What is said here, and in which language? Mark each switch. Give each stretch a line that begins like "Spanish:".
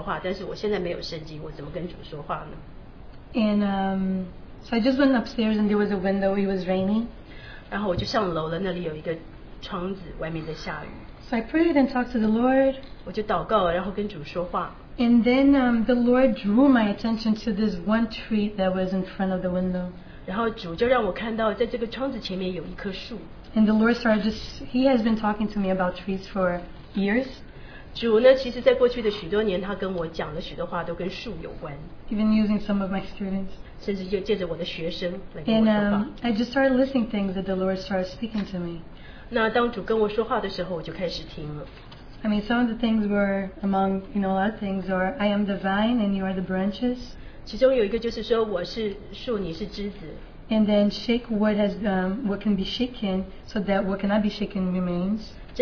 Chinese: 我到那个房间的时候我蛮沮丧的,因为我的圣经不在身边,只有一个电话。那我通常是借着圣经让主来跟我说话,但是我现在没有圣经,我怎么跟主说话呢?
English: And so I just went upstairs and there was a window, it was raining.
Chinese: 然后我就上楼了,那里有一个窗子,外面在下雨。
English: So I prayed and talked to the Lord.
Chinese: 我就祷告,然后跟主说话。
English: And then the Lord drew my attention to this one tree that was in front of the window.
Chinese: 然后主就让我看到在这个窗子前面有一棵树。
English: And the Lord started just, he has been talking to me about trees for years.
Chinese: 主呢,其实在过去的许多年,他跟我讲了许多话,都跟树有关。
English: Even using some of my students.
Chinese: 甚至又借着我的学生来跟我说话。
English: And I just started listening to things that the Lord started speaking to me.
Chinese: 那当主跟我说话的时候,我就开始听了。
English: I mean, some of the things were among, you know, a lot of things are, I am the vine and you are the branches.
Chinese: 其中有一个就是说,我是树,你是枝子。
English: And then shake what can be shaken, so that what cannot be shaken remains.